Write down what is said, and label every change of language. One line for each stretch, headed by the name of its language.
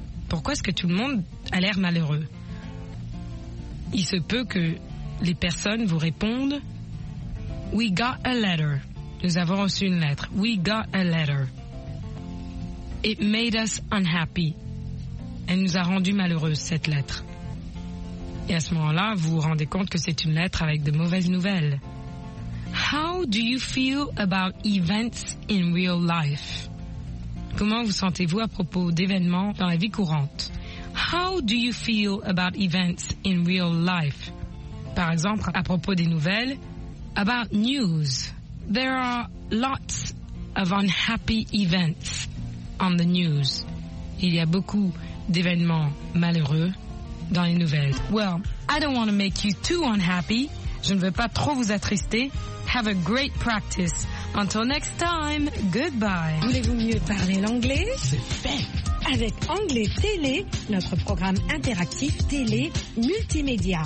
French: Pourquoi est-ce que tout le monde a l'air malheureux? Il se peut que les personnes vous répondent,
English: We got a letter.
French: Nous avons reçu une lettre.
English: We got a letter. It made us unhappy.
French: Elle nous a rendu malheureuse, cette lettre. Et à ce moment-là, vous vous rendez compte que c'est une lettre avec de mauvaises nouvelles.
English: How do you feel about events in real life?
French: Comment vous sentez-vous à propos d'événements dans la vie courante?
English: How do you feel about events in real life?
French: Par exemple, à propos des nouvelles,
English: about news. There are lots of unhappy events on the news.
French: Il y a beaucoup d'événements malheureux dans les nouvelles.
English: Well, I don't want to make you too unhappy.
French: Je ne veux pas trop vous attrister.
English: Have a great practice. Until next time, goodbye.
French: Voulez-vous mieux parler l'anglais? C'est fait. Avec Anglais Télé, notre programme interactif télé multimédia.